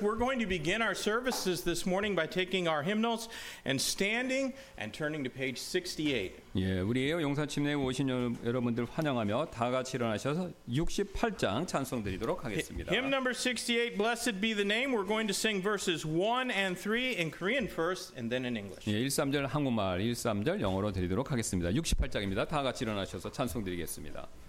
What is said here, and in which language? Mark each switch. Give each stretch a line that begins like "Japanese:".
English: We're going to begin our services this morning by taking our hymnals and standing and turning to page 68.
Korean: 예, 우리 용산 침례에 오신 여러분들 환영하며 다 같이 일어나셔서 68장 찬송드리도록 하겠습니다.
English: Hymn number 68, Blessed Be the Name. We're going to sing verses 1 and 3 in Korean first and then in English.
Korean: 예, 13절 한국말, 13절 영어로 드리도록 하겠습니다. 68장입니다. 다 같이 일어나셔서 찬송드리겠습니다.